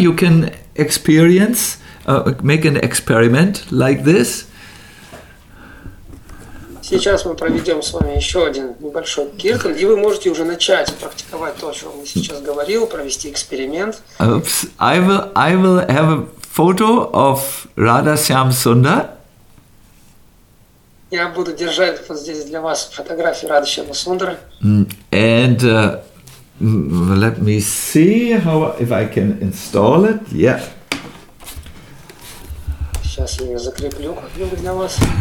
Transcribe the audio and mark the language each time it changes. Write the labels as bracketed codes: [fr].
[en] You can experience, make an experiment like this. [ru] Сейчас мы проведем с вами еще один небольшой киртан, и вы можете уже начать практиковать то, о чем я сейчас говорил, провести эксперимент. Oops. [en] I will have a photo of Radha Shyam Sundar. [ru] Я буду держать вот здесь для вас фотографию Радхи Шьяма Сундары. [en] And let me see how if I can install it. Yeah. [ru] Сейчас я ее закреплю как-нибудь для вас.